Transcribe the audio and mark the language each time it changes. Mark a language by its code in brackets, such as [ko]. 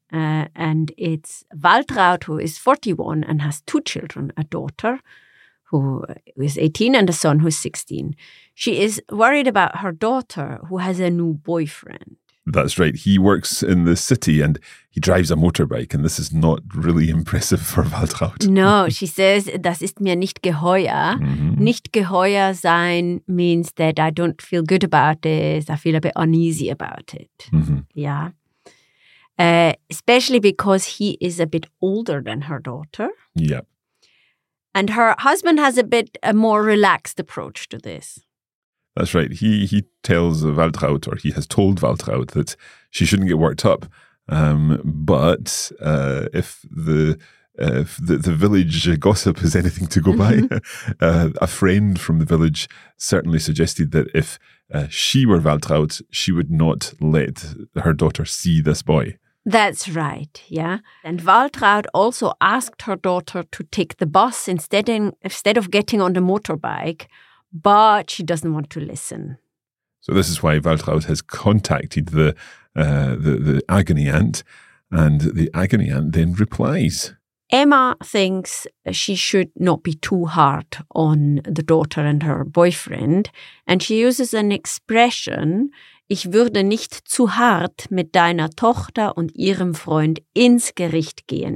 [en] And it's Waltraud, who is 41 and has two children, a daughter who is 18 and a son who is 16. She is worried about her daughter, who has a new boyfriend. That's right. He works in the city and he drives a motorbike. And this is not really impressive for Waltraud. No, she says, [de] das ist mir nicht geheuer. Mm-hmm. [en] Nicht geheuer sein means that I don't feel good about this. I feel a bit uneasy about it. Mm-hmm. Yeah. Especially because he is a bit older than her daughter. Yeah. And her husband has a bit a more relaxed approach to this. That's right. He tells Waltraud, or he has told Waltraud, that she shouldn't get worked up. But if the village gossip is anything to go by, a friend from the village certainly suggested that if she were Waltraud, she would not let her daughter see this boy. That's right, yeah. And Waltraud also asked her daughter to take the bus instead of getting on the motorbike, but she doesn't want to listen. So this is why Waltraud has contacted the agony aunt, and the agony aunt then replies. Emma thinks she should not be too hard on the daughter and her boyfriend, and she uses an expression, [de] ich würde nicht zu hart mit deiner Tochter und ihrem Freund ins Gericht gehen.